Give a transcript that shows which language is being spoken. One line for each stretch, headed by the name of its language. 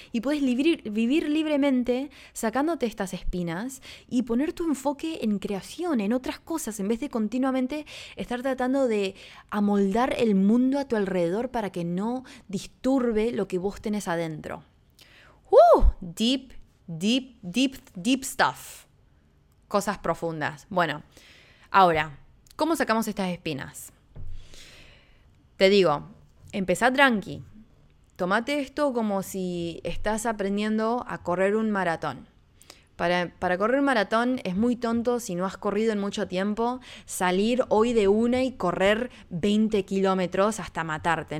Spanish: Y puedes vivir libremente sacándote estas espinas y poner tu enfoque en creación, en otras cosas, en vez de continuamente estar tratando de amoldar el mundo a tu alrededor para que no disturbe lo que vos tenés adentro.
English: Deep, deep, deep, deep stuff.
Spanish: Cosas profundas. Bueno, ahora, ¿cómo sacamos estas espinas? Te digo, empezá tranqui. Tómate esto como si estás aprendiendo a correr un maratón. Para correr maratón es muy tonto si no has corrido en mucho tiempo salir hoy de una y correr 20 kilómetros hasta matarte.